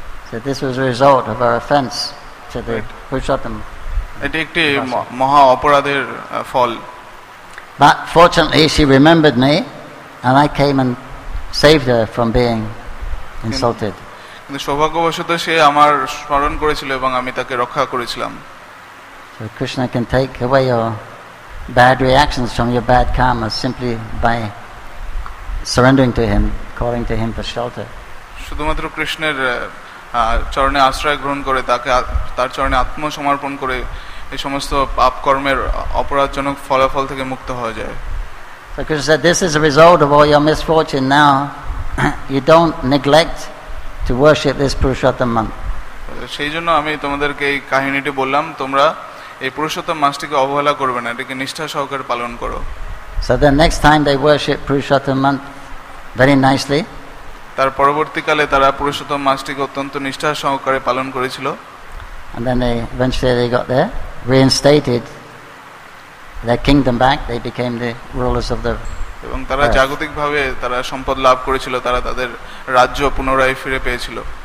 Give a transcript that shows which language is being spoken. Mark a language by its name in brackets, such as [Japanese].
[English] So this was a result of her offense to the Purushottam. [Bangla] এটি একটি মহা অপরাধের ফল. [English] But fortunately she remembered me and I came and saved her from being insulted. [Bangla] সৌভাগ্যবশত সে আমার স্মরণ করেছিল এবং আমি তাকে রক্ষা করেছিলাম. [English] So Krishna can take away your bad reactions from your bad karma simply by surrendering to him, calling to him for shelter. [Bangla] শুধুমাত্র কৃষ্ণের চরণে আশ্রয় গ্রহণ করে তাকে তার চরণে আত্মসমর্পণ করে এই সমস্ত পাপ কর্মের অপরাধজনক ফলাফল থেকে মুক্ত হওয়া যায়. [English] So Krishna said, this is a result of all your misfortune. Now you don't neglect to worship this Purushottam month. [Bangla] সেই জন্য আমি তোমাদেরকে এই কাহিনীটি বললাম, তোমরা এই পুরুষোত্তম মাসটিকে অবহেলা করবে না, এটাকে নিষ্ঠা সহকারে পালন করো. [English] So the next time they worship Purushottam month very nicely. [Bangla] তার পরবর্তীকালে তারা পুরুষোত্তম মাসটিকে অত্যন্ত নিষ্ঠা সহকারে পালন করেছিল. [English] And then they got there, reinstated their kingdom back, they became the rulers of the [Bangla] এবং তারা জাগতিকভাবে তারা সম্পদ লাভ করেছিল, তারা তাদের রাজ্য পুনরায় ফিরে পেয়েছিল.